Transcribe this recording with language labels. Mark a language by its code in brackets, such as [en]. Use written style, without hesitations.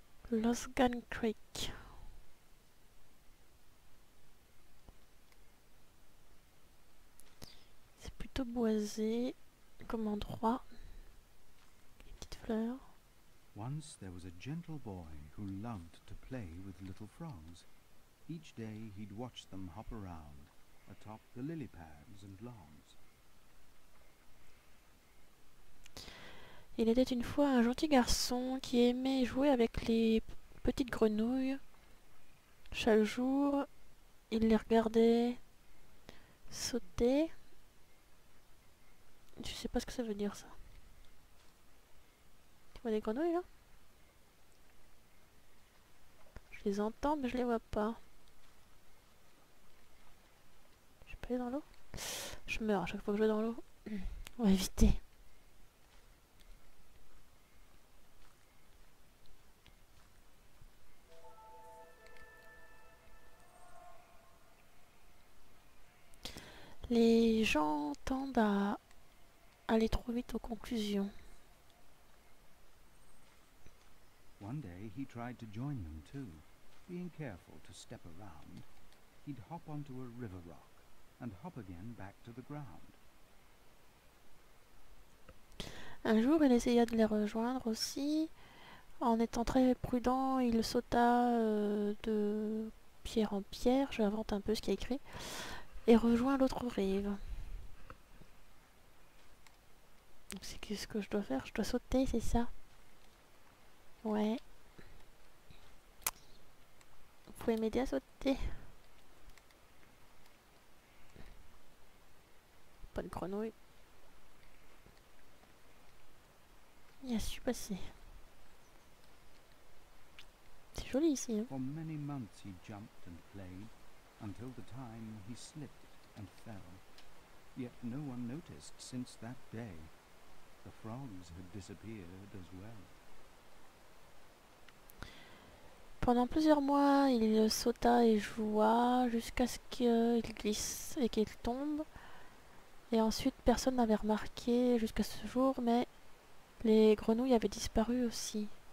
[en] Lost Gun Creek. [fr] C'est plutôt boisé comme endroit. Les petites fleurs. [en] Once there was a gentle boy who loved to play with little frogs. Each day he'd watch them hop around atop the lily pads and lawns. [fr] Il était une fois un gentil garçon qui aimait jouer avec les petite grenouille. Chaque jour, il les regardait sauter. Je sais pas ce que ça veut dire ça. Tu vois des grenouilles là? Je les entends mais je les vois pas. Je peux aller dans l'eau? Je meurs à chaque fois que je vais dans l'eau. On va éviter. Les gens tendent à aller trop vite aux conclusions. [en] One day he tried to join them too, being careful to step around. He'd hop onto a river rock and hop again back to the ground. [fr] Un jour, il essaya de les rejoindre aussi. En étant très prudent, il sauta de pierre en pierre. Je invente un peu ce qui est écrit. Et rejoins l'autre rive. Donc c'est ce que je dois faire? Je dois sauter, c'est ça? Ouais. Vous pouvez m'aider à sauter? Pas de grenouille. Il y a su passer. C'est joli ici. Hein. [en] For many months he jumped and played, until the time he slipped. And fell. Yet no one noticed since that day. The frogs had disappeared as well. [fr] Pendant plusieurs mois, il sauta et joua jusqu'à ce qu'il glisse et qu'il tombe. Et ensuite, personne n'avait remarqué jusqu'à ce jour, mais les grenouilles avaient disparu aussi.